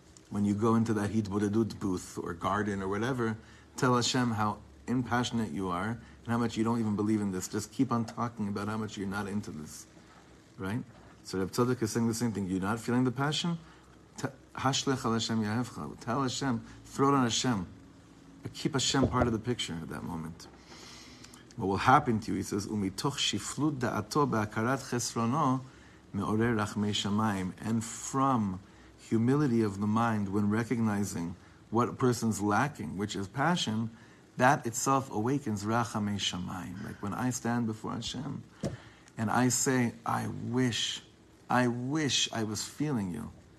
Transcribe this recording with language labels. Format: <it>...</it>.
<en>When you go into that Yitbodedut booth or garden or whatever, tell Hashem how impassionate you are and how much you don't even believe in this. Just keep on talking about how much you're not into this. Right? So Reb Tzadok is saying the same thing. You're not feeling the passion?</en> <he>Hashlech al Hashem yahevcha.</he> <en>Tell Hashem, throw it on Hashem. But keep Hashem part of the picture at that moment. What will happen to you, he says,</en> <he>ומתוך שפלות דעתו בהכרת חסרונו, מעורר רחמי שמיים.</he> <en>And from humility of the mind when recognizing what a person's lacking, which is passion, that itself awakens rachamei shamayim. Like when I stand before Hashem and I say, I wish I was feeling you.</en>